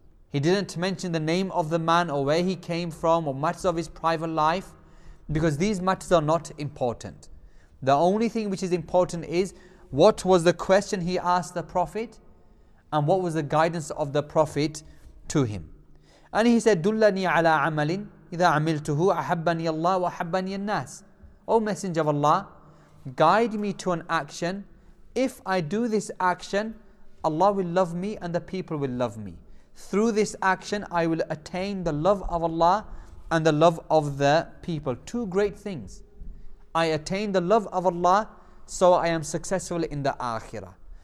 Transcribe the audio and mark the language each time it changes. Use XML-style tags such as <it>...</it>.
<en>He didn't mention the name of the man or where he came from or matters of his private life, because these matters are not important. The only thing which is important is what was the question he asked the Prophet and what was the guidance of the Prophet to him. And he said,</en> <ar>دُلَّنِي عَلَىٰ عَمَلٍ إِذَا عَمِلْتُهُ أَحَبَّنِيَ اللَّهُ وَأَحَبَّنِيَ النَّاسِ.</ar> <en>O Messenger of Allah, guide me to an action. If I do this action, Allah will love me and the people will love me. Through this action, I will attain the love of Allah and the love of the people. Two great things. I attain the love of Allah, so I am successful in the Akhirah.</en>